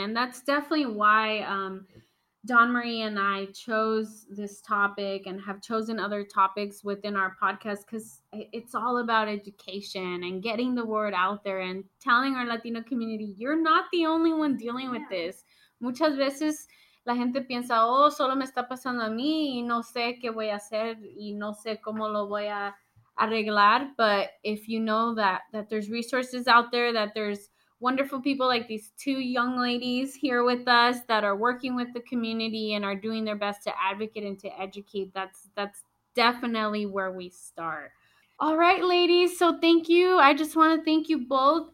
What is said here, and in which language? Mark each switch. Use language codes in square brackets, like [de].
[en] And that's definitely why Dawn Marie and I chose this topic and have chosen other topics within our podcast, because it's all about education and getting the word out there and telling our Latino community, you're not the only one dealing with this. [es] Muchas veces la gente piensa, oh, solo me está pasando a mí y no sé qué voy a hacer y no sé cómo lo voy a arreglar. [en] But if you know that there's resources out there, that there's wonderful people like these two young ladies here with us that are working with the community and are doing their best to advocate and to educate, that's definitely where we start. All right, ladies, so thank you. I just want to thank you both.